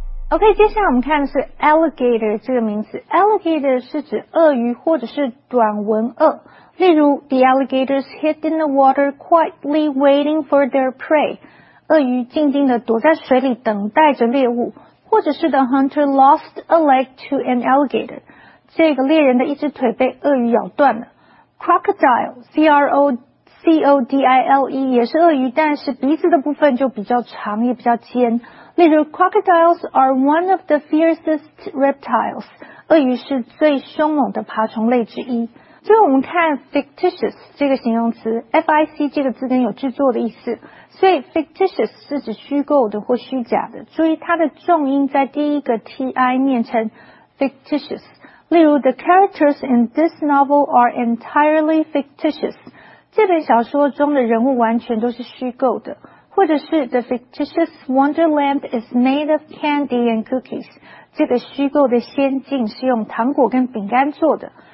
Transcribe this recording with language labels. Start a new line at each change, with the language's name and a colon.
Chinese: OK, 接下来我们看的是 alligator 这个名词。Alligator 是指鳄鱼或者是短吻鳄。例如
English: ,the alligators hid in the water quietly waiting for their prey.
Chinese: 鳄鱼静静地躲在水里等待着猎物。或者是
English: the hunter lost a leg to an alligator.
Chinese: 这个猎人的一只腿被鳄鱼咬断了。 Crocodile, C-R-O-C-O-D-I-L-E, 也是鳄鱼但是鼻子的部分就比较长也比较尖。例如
English: crocodiles are one of the fiercest reptiles.
Chinese: 鳄鱼是最凶猛的爬虫类之一。最后我们看 fictitious 这个形容词 ,F-I-C 这个字根有制作的意思。所以 fictitious 是指虚构的或虚假的。注意它的重音在第一个 T-I 念成 fictitious。例如
English: the characters in this novel are entirely fictitious.
Chinese: 这本小说中的人物完全都是虚构的。或者是
English: The fictitious wonderland is made of candy and cookies.
Chinese: 这个虚构的仙境是用糖果跟饼干做的。